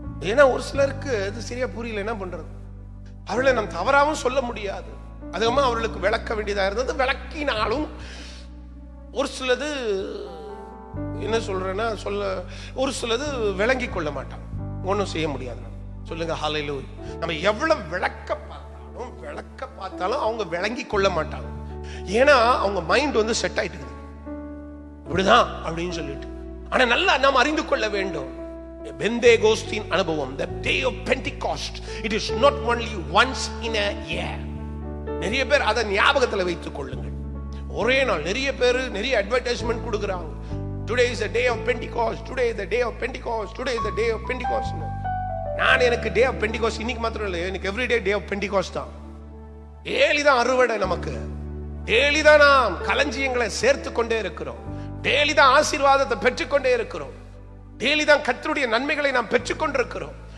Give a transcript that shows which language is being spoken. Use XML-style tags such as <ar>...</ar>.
<ta>ஏன்னா ஒரு சிலருக்கு அது சரியா புரியல, என்ன பண்றது? அவர்களை நம் தவறாவும் சொல்ல முடியாது, அதுக்கமா அவர்களுக்கு விளக்க வேண்டியதா இருந்தது விளக்கினாலும் ஒரு சிலது என்ன சொல்றேன்னா சொல்ல ஒரு சிலது விளங்கி கொள்ள மாட்டான், ஒன்றும் செய்ய முடியாது. சொல்லுங்க ஹல்லேலூயா. நம்ம எவ்வளவு விளக்க பார்த்தாலும் அவங்க விளங்கி கொள்ள மாட்டாங்க, ஏன்னா அவங்க மைண்ட் வந்து செட் ஆயிட்டு இப்படிதான் அப்படின்னு சொல்லிட்டு. ஆனா நல்லா நாம் அறிந்து கொள்ள வேண்டும், பெந்தேகோஸ்தின் அனுபவம்,</ta> <en>the day of Pentecost, it is not only once in a year.</en> <ta>நிறைய பேர் அதை ஞாபகத்தில் வைத்துக் கொள்ளுங்கள். ஒரே நாள் நிறைய பேர் நிறைய அட்வர்டைஸ்மெண்ட் கொடுக்கறாங்க.</ta> <en>Today is the day of Pentecost. Today is the day of Pentecost. Today is the day of Pentecost.</en> <ta>நான் எனக்கு டே ஆஃப் பெண்டிகோஸ்ட் இன்னைக்கு மட்டும் இல்ல, எனக்கு எவ்ரிடே டே ஆஃப் பெண்டிகோஸ்ட் தான். டெய்லி தான் அறுவடை நமக்கு. டெய்லி தான் நாம் களஞ்சியங்களை சேர்த்து கொண்டே இருக்கிறோம். டெய்லி தான் ஆசீர்வாதத்தை பெற்றுக் கொண்டே இருக்கிறோம். டெய்லி தான் கர்த்தருடைய நன்மைகளை நாம் பெற்றுக் கொண்டிருக்கிறோம்.</ta>